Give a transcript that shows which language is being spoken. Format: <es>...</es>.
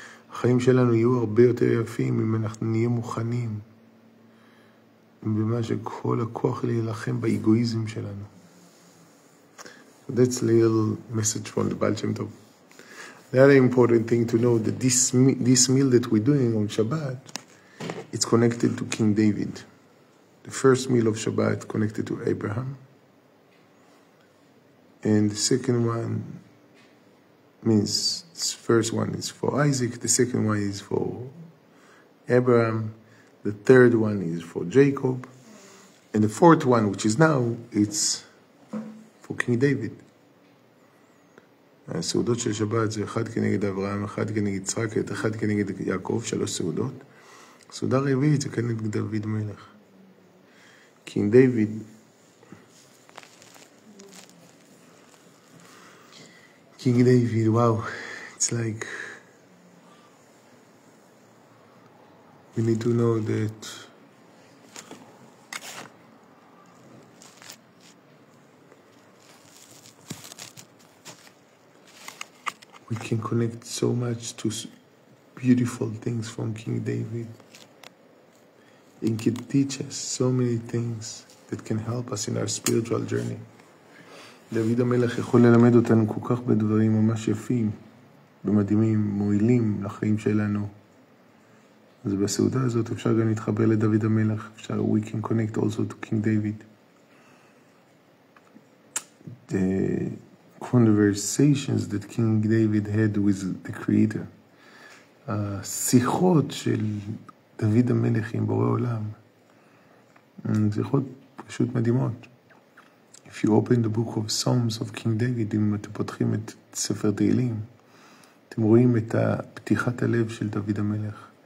<he>החיים שלנו יהיו הרבה יותר יפים אם אנחנו נהיה מוכנים במה שכל הכוח להילחם באגואיזם שלנו.</he> <en>That's a little message from the Baal Shem Tov. The other important thing to know, that this meal that we're doing on Shabbat, it's connected to King David. The first meal of Shabbat connected to Abraham. And the second one means, the first one is for Isaac, the second one is for Abraham, the third one is for Jacob, and the fourth one, which is now, it's for King David.</en> <he>הסעודות של שבת זה אחד כנגד אברהם, אחד כנגד יצחק, אחד כנגד יעקב, שלוש סעודות. הסעודה רביעית זה כנגד דוד מלך.</he> <en>King David. King David, וואו, it's like, we need to know that we can connect so much to beautiful things from King David. It can teach us so many things that can help us in our spiritual journey.</en> <he>David HaMelech יכול ללמד אותנו כל כך בדברים ממש יפים, במדהימים, מועילים לחיים שלנו. אז בסעודה הזאת אפשר גם להתחבר לדוד HaMelech.</he> <en>אפשר, we can connect also to King David. Conversations that King David had with the Creator.</en> <he>שיחות של דוד המלך עם בורא עולם. שיחות פשוט מדהימות.</he> <en>If you open the book of Psalms of King David,</en> <he>אם אתם פותחים את ספר תהילים, אתם רואים את פתיחת הלב של דוד המלך.</he>